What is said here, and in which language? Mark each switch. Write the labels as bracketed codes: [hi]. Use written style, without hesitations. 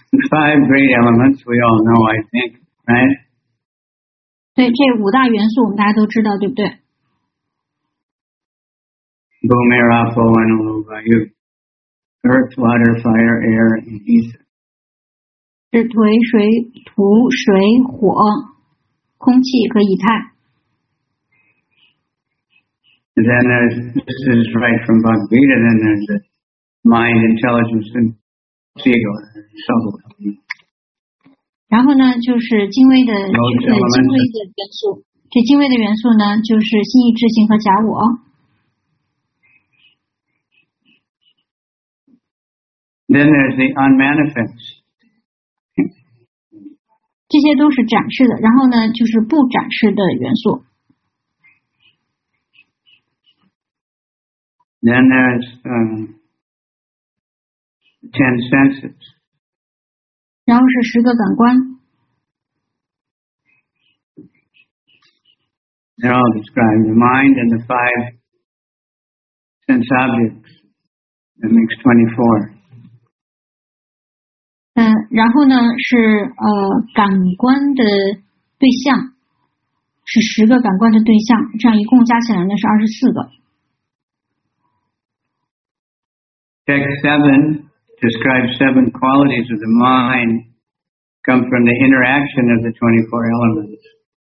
[en] Five great elements we all know, I think, right? [zh] 对，这五大元素我们大家都知道，对不对？ [en] Bhumi, Rapo, and Vayu. Earth, water, fire, air, and ether. [zh] 是颓水土水火空气和以太。 [en] Then there's, this is right from Bhagavad Gita, then there's the mind, intelligence, and ego, soul. [zh] 然后呢，就是精微的元素。这精微的元素呢，就是心意、智性和假我。 [en] Then there's the unmanifest. [zh] 这些都是展示的。然后呢，就是不展示的元素。 [en] Then there's ten senses. [zh] 然后是十个感官。 [en] They're all described, the mind and the five sense objects. That makes 24. [zh] 然后呢是感官的对象，是十个感官的对象，这样一共加起来呢是二十四个。 [en] Text 7 describes seven qualities of the mind come from the interaction of the 24 elements.